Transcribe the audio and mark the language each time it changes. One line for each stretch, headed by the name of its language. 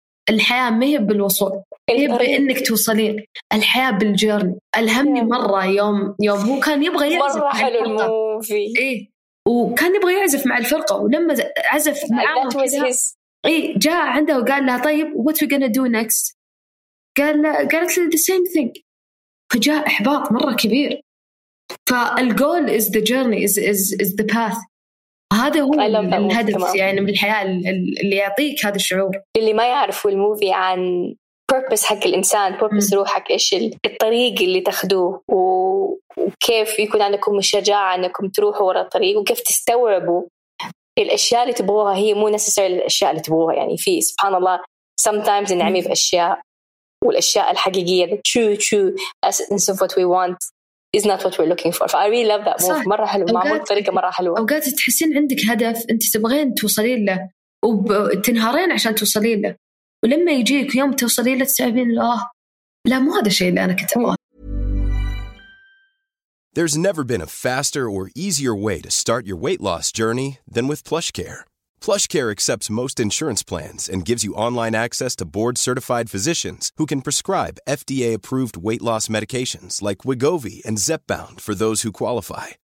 Arabic: الحياة ما هي بالوصول. هي بأنك توصلين. الحياة بالجيرني. ألهمني مرة يوم هو كان يبغى يعزف. مرة حلو الموفي. إيه. وكان يبغى يعزف مع الفرقة ولما عزف معه. إيه جاء عنده وقال لها طيب
English: what we gonna do next.
Arabic: قالت له
English: the same thing.
Arabic: فجاء إحباط مرة كبير.
English: فالgoal is the journey is the path.
Arabic: هذا هو الهدف يعني من الحياة اللي يعطيك هذا الشعور. اللي ما يعرف الموفي عن purpose حق الإنسان purpose روحك إيش الطريق اللي تاخدوه وكيف يكون عندكم الشجاعة أنكم تروحوا وراء الطريق وكيف تستوعبوا الأشياء اللي تبغوها هي مو necessary الأشياء اللي تبغوها. يعني في سبحان الله sometimes نعمي بأشياء والأشياء الحقيقية
English: the true essence of what we want is not what we're looking for. I really love that move.
Arabic: صح. مرة حلو معمول بطريقة مرة حلوة. أوقات تحسين عندك هدف أنت تبغين توصلين له وتنهارين عشان توصلين له ولما يجيك يوم توصلين له تستعبين له لا مو هذا الشيء اللي أنا كنت أبغاه.
English: There's never been a faster or easier way to start your weight loss journey than with PlushCare. PlushCare accepts most insurance plans and gives you online access to board-certified physicians who can prescribe FDA-approved weight loss medications like Wegovy and Zepbound for those who qualify.